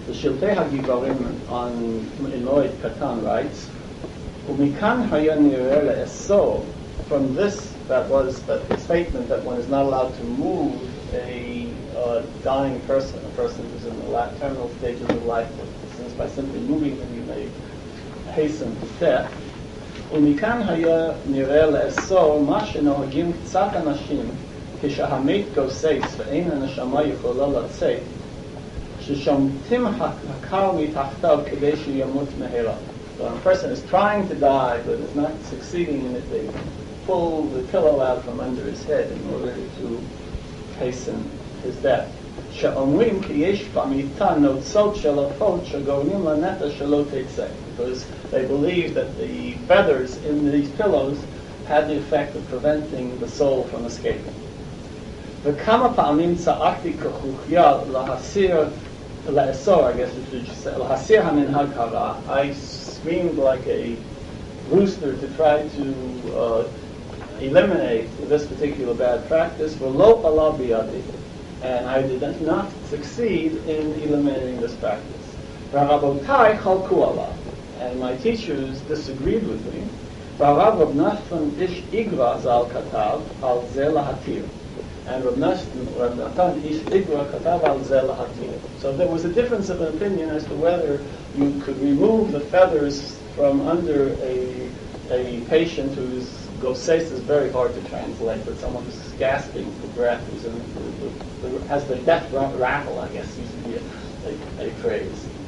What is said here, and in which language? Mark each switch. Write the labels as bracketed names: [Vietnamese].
[English] The Shotei HaGiborim on Moed Katan writes, [Hebrew] "Umikan haya nireh le'esor," [English] from this, that was the statement that one is not allowed to move a dying person, a person who's in the terminal stage of their life, since by simply moving them you may hasten to death. [Hebrew] ומכאן היה נראה לאסור מה שנוהגים קצת אנשים כשהמית גוסס ואין הנשמה יכולה לצאת ששומתים הקר מתחתיו כדי שימות מהרה. [English] So a person is trying to die but is not succeeding in it. They pull the pillow out from under his head in order to hasten his death. [Hebrew] שאומרים כי יש במיטה נוצות של עופות שגורמים לנפש שלא תצא. [English] Because they believe that the feathers in these pillows had the effect of preventing the soul from escaping. [Hebrew] וכמה פעמים צעקתי כחוכיה להסיר, לאסור, [English] I guess you should say, [Hebrew] להסיר המנהג הרע. [English] I screamed like a rooster to try to eliminate this particular bad practice. [Hebrew] ולא עלה בידי. [English] And I did not succeed in eliminating this practice. [Hebrew] והרבותיי חלקו עליו. [English] And my teachers disagreed with me. [Hebrew] והרב רב נחמן איש איגרא ז"ל כתב על זה להתיר. [English] And Rav Nathan Ish Igra [Hebrew] כתב על זה להתיר. [English] So there was a difference of opinion as to whether you could remove the feathers from under a patient whose gosses is very hard to translate, but someone who's gasping for breath, who's in has the death rattle, I guess, used to be a phrase.